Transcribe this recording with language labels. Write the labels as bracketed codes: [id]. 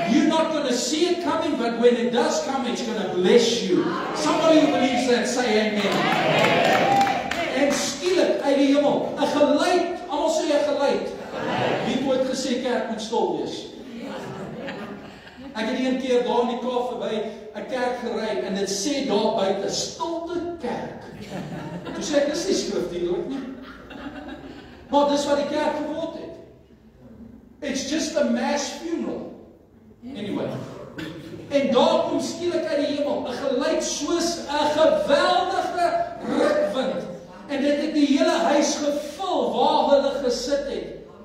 [en] You're not going to see it coming, but when it does come, it's going to bless you. Somebody who believes that, say amen. [af] En skielik uit die hemel, 'n geluid, almal sê 'n geluid. Wie het ooit gesê kerk moet stil wees? Ek het een keer daar in die kaaf verby 'n kerk gery en dit sê daar buite 'n stilte kerk. Toe sê ek, dis nie skriftuurlik nie. Maar dis wat die kerk geword het. [en] It's just a mass funeral. Anyway. [af] En daar kom skielik uit die hemel 'n geluid soos 'n geweldige rukwind en dit het die hele huis gevul waar hulle gesit het.